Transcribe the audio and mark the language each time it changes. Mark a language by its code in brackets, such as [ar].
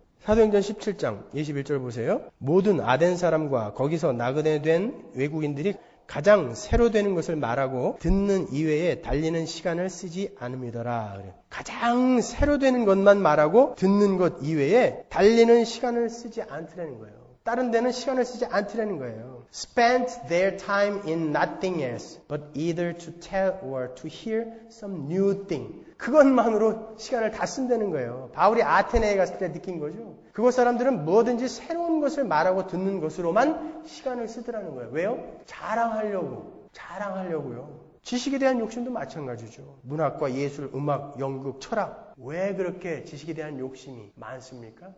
[ko] 사도행전 17장 21절 보세요. 모든 아덴 사람과 거기서 나그네 된 외국인들이 가장 새로 되는 것을 말하고 듣는 이외에 달리는 시간을 쓰지 않음이더라. 가장 새로 되는 것만 말하고 듣는 것 이외에 달리는 시간을 쓰지 않더라는 거예요. 다른 데는 시간을 쓰지 않더라는 거예요. [en] Spent their time in nothing else but either to tell or to hear some new thing. [ko] 그것만으로 시간을 다 쓴다는 거예요. 바울이 아테네에 갔을 때 느낀 거죠. 그곳 사람들은 뭐든지 새로운 것을 말하고 듣는 것으로만 시간을 쓰더라는 거예요. 왜요? 자랑하려고. 자랑하려고요. 지식에 대한 욕심도 마찬가지죠. 문학과 예술, 음악, 연극, 철학. 왜 그렇게 지식에 대한 욕심이 많습니까?